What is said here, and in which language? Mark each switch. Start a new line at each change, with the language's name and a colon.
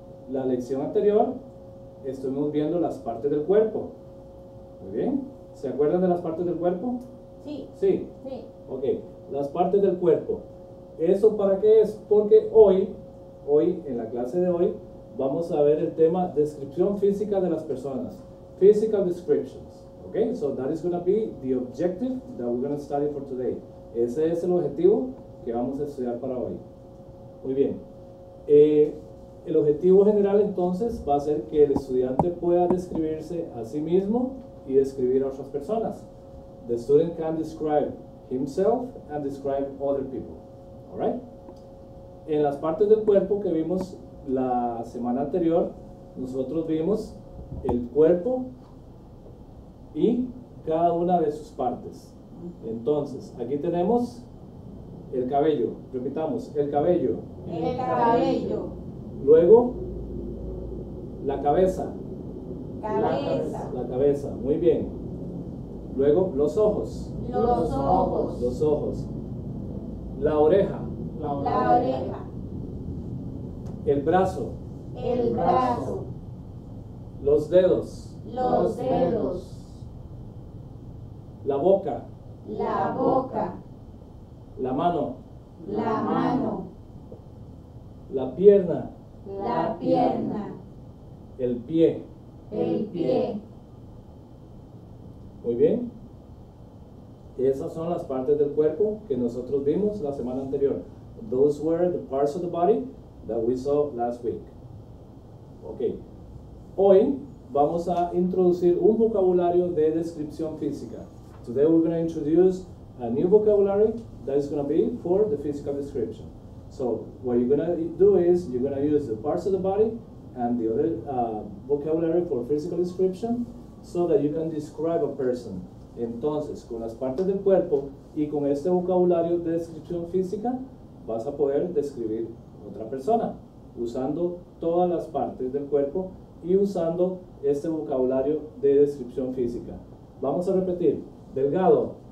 Spanish: La lección anterior estuvimos viendo las partes del cuerpo. Muy bien. ¿Se acuerdan de las partes del cuerpo? Sí. Sí. Sí. Ok, las partes del cuerpo. ¿Eso para qué es? Porque hoy, en la clase de hoy, vamos a ver el tema descripción física de las personas.
English: Physical descriptions. Ok, so that is going to be the objective that we're going to study for today.
Spanish: Ese es el objetivo que vamos a estudiar para hoy. Muy bien. El objetivo general entonces va a ser que el estudiante pueda describirse a sí mismo y describir a otras personas.
English: The student can describe himself and describe other people. All right?
Spanish: En las partes del cuerpo que vimos la semana anterior, nosotros vimos el cuerpo y cada una de sus partes. Entonces, aquí tenemos el cabello. Repitamos, el cabello. El cabello. Luego, la cabeza. Cabeza. La cabeza, muy bien. Luego, los ojos. Los ojos. Los ojos. La oreja. La oreja. El brazo. El brazo. Los dedos. Los dedos. La boca. La boca. La mano. La mano. La pierna. La pierna. El pie. El pie. Muy bien. Esas son las partes del cuerpo que nosotros vimos la semana anterior.
English: Those were the parts of the body that we saw last week. Ok.
Spanish: Hoy vamos a introducir un vocabulario de descripción física.
English: Today we're going to introduce a new vocabulary that is going to be for the physical description. So what you're going to do is you're going to use the parts of the body and the other vocabulary for physical description so that you can describe a person.
Spanish: Entonces, con las partes del cuerpo y con este vocabulario de descripción física, vas a poder describir otra persona usando todas las partes del cuerpo y usando este vocabulario de descripción física. Vamos a repetir. Delgado.